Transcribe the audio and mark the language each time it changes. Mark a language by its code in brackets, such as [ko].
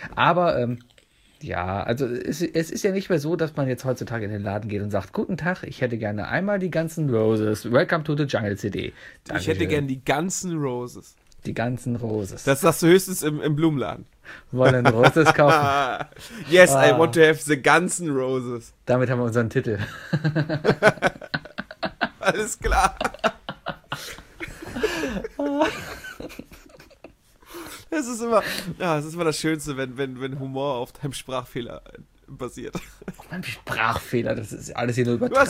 [de] Aber, ja, also es ist ja nicht mehr so, dass man jetzt heutzutage in den Laden geht und sagt, guten Tag, ich hätte gerne einmal die ganzen Roses. [en] Welcome to the Jungle CD. [de] Dankeschön. Ich hätte gerne die ganzen Roses. Die ganzen Roses. Das sagst du höchstens im Blumenladen. Wollen Roses kaufen? [en] Yes, wow. I want to have the [de] ganzen [en] Roses. [de] Damit haben wir unseren Titel. Alles klar. Es ist immer das Schönste, wenn Humor auf deinem Sprachfehler basiert. Auf meinem Sprachfehler, das ist alles hier nur Übertragung.